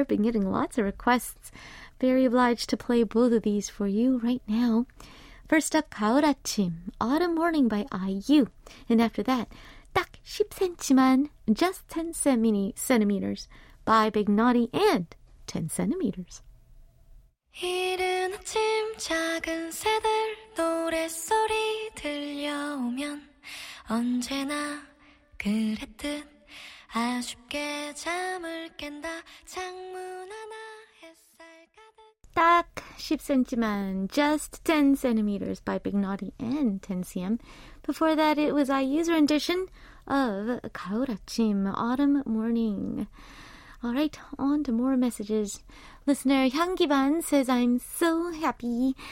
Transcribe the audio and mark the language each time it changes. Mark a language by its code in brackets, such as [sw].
[en] I've been getting lots of requests. Very obliged to play both of these for you right now. First up, 가을 아침, Autumn Morning by IU. And after that, 딱 10cm만, Just 10 centimeters. By Big Naughty and 10 centimeters. [ko] 이른 아침 작은 새들 노랫소리 들려오면 언제나 그랬듯 아쉽게 잠을 깬다 창문 하나 햇살 가득 [en] 딱 10cm만 Just 10cm by Big Naughty and 10cm. Before that, it was IU's rendition of 가을 아침, Autumn Morning. Alright, on to more messages. Listener 향기반 says, I'm so happy.